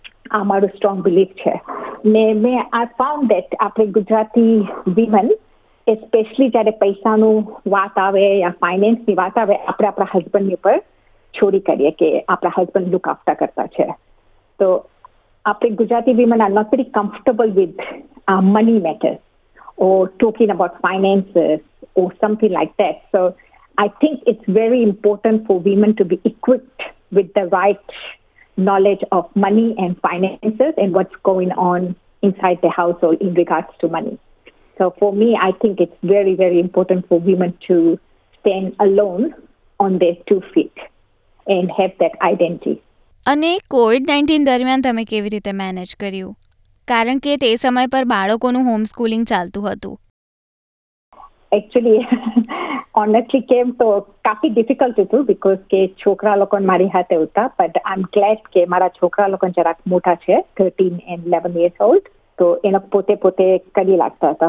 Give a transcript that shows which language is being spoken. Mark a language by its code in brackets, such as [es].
[gu] આ મારો strong belief છે. ને [en] મેં I found that [gu] આપણે ગુજરાતી વિમન એસ્પેશલી જ્યારે પૈસાનું વાત આવે યા ફાઇનાન્સની વાત આવે, આપણે આપણા હસબન્ડની ઉપર છોડી કરીએ કે આપણા હસબન્ડ [en] look after [gu] કરતા છે. તો આપણે Gujarati [en] Women are not very comfortable with આ money matters or talking about finances or something like that. So I think it's very important for women to be equipped with the right knowledge of money and finances and what's going on inside the household in regards to money. So for me, I think it's very, very important for women to stand alone on their two feet and have that identity. [gu] અને COVID-19 દરમિયાન તમે કેવી રીતે manage કર્યું? કારણ કે તે સમય પર બાળકોનું હોમસ્કૂલિંગ ચાલતું હતું. એકચ્યુઅલી ઓનેસ્ટલી કેમ તો કાફી ડિફિકલ્ટ હતું, બીકોઝ કે છોકરા લોકો મારી હાથે હતા. [en] but I am glad [gu] કે મારા છોકરા લોકો જરાક મોટા છે, [en] 13 and 11 years old, [gu] તો એને પોતે પોતે કરી લાગતા હતા.